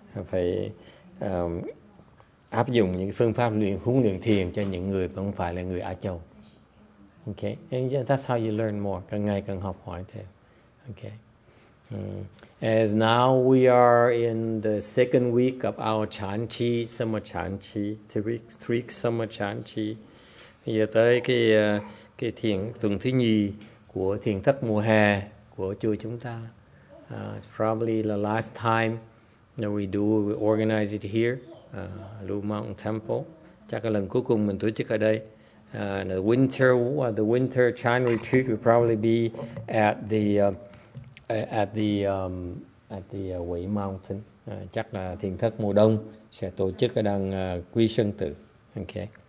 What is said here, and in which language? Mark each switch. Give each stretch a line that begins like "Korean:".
Vietnamese: Phải áp dụng những phương pháp luyện huấn luyện thiền cho những người không phải là người Á Châu.
English: Okay, and that's how you learn more.
Vietnamese: Càng ngày càng học hỏi thêm. Okay.
English: As now we are in the second week of our Chan Chi, summer Chan Chi, three weeks summer Chan Chi.
Vietnamese: Giờ tới cái thiền tuần thứ nhì của thiền thất mùa hè của chùa chúng ta.
English: Probably the last time that we organize it here, Lu Mong Temple.
Vietnamese: Chắc là lần cuối cùng mình tổ chức ở đây.
English: The winter Chan retreat will probably be at the Wei Mountain.
Vietnamese: Chắc là thiền thất mùa đông sẽ tổ chức ở đằng Quy Sơn Tự. Okay.